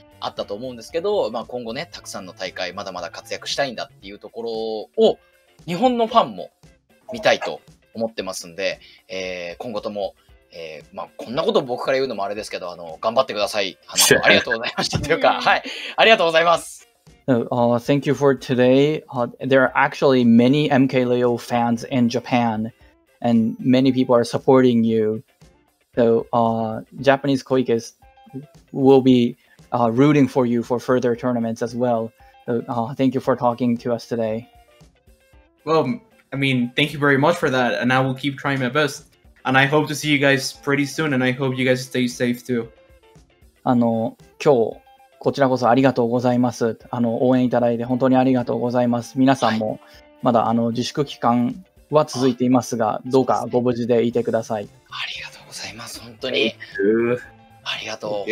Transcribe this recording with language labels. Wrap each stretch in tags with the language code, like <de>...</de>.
<ja>あったと思うんですけど、まあ、今後ねたくさんの大会まだまだ活躍したいんだっていうところを日本のファンも見たいと思ってますんで、今後とも、まあ、こんなこと僕から言うのもあれですけど、あの頑張ってください。ありがとうございましたというか、はい、ありがとうございます。</ja> <en>Thank you for today. There are actually many MKLeo fans in Japan, and many people are supporting you. So, Japanese Koike will be rooting for you for further tournaments as well. So, thank you for talking to us today. Well, I mean, thank you very much for that, and I will keep trying my best. And I hope to see you guys pretty soon, and I hope you guys stay safe too.</en> <ja>あの、今日こちらこそありがとうございます。あの、応援いただいて本当にありがとうございます。皆さんもまだあの自粛期間は続いていますが、どうかご無事でいてください。ありがとうございます。本当に。ありがとう。</ja>